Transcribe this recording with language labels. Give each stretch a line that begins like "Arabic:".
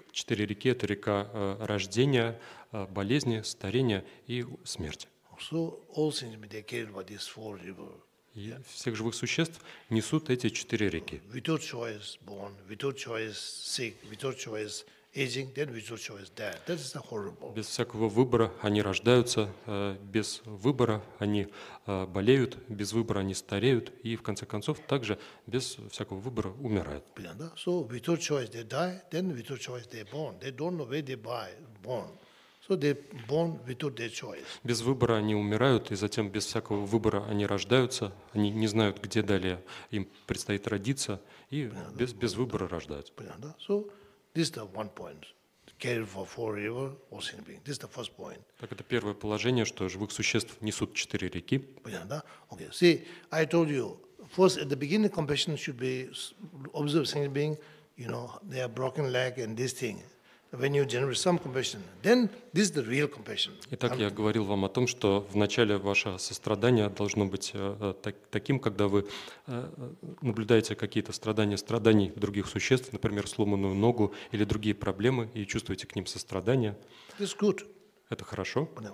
Russian: Четыре реки — это река рождения, болезни, старения и смерти.
English: So all things be carried by these four rivers.
Russian: И всех живых существ несут эти четыре реки.
English: Without choice born, without choice sick, without choice aging, then without choice death. That is the horrible.
Russian: Без всякого выбора они рождаются, без выбора они болеют, без выбора они стареют и в конце концов также без всякого выбора умирают.
English: So without choice they die, then without choice they born. They don't know where they die, born. So they born without their choice.
Russian: Без выбора они умирают, и затем без всякого выбора они рождаются. Они не знают, где далее им предстоит родиться, и без выбора рождаются. Понятно?
English: So this is the one point. Care for four rivers, all sentient beings. This is the first point.
Russian: Так это первое положение, что живых существ несут четыре реки. Понятно? Okay.
English: See, I told you, first at the beginning, compassion should be observed sentient being. You know, they have broken leg and this thing. When you generate some compassion, then this is the real compassion.
Russian: Итак, я говорил вам о том, что в начале ваше сострадание должно быть таким, когда вы наблюдаете какие-то страданий других существ, например, сломанную ногу или другие проблемы, и чувствуете к ним сострадание.
English: This is good.
Russian: Это хорошо.